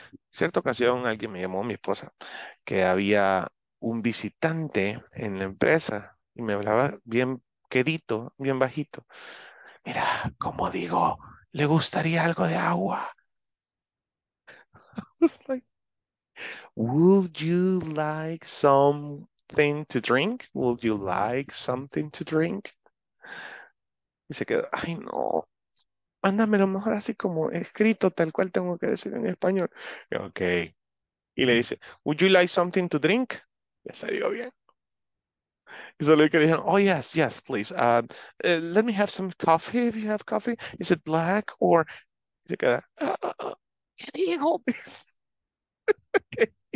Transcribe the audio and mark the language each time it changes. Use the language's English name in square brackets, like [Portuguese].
[Spanish] Cierta ocasión alguien me llamó, mi esposa, que había un visitante en la empresa y me hablaba bien quedito, bien bajito. Mira, como digo, ¿le gustaría algo de agua? [English] I was like, would you like something to drink? Would you like something to drink? [Spanish] Y se quedó, ay no, mándame lo mejor así como escrito, tal cual tengo que decir en español. Ok. Y le dice, [English] would you like something to drink? [Spanish] Ya salió bien. Y se le dijeron, [English] oh, yes, yes, please. Let me have some coffee, if you have coffee. Is it black or... [Spanish] Y se queda... ¿Qué digo? Okay.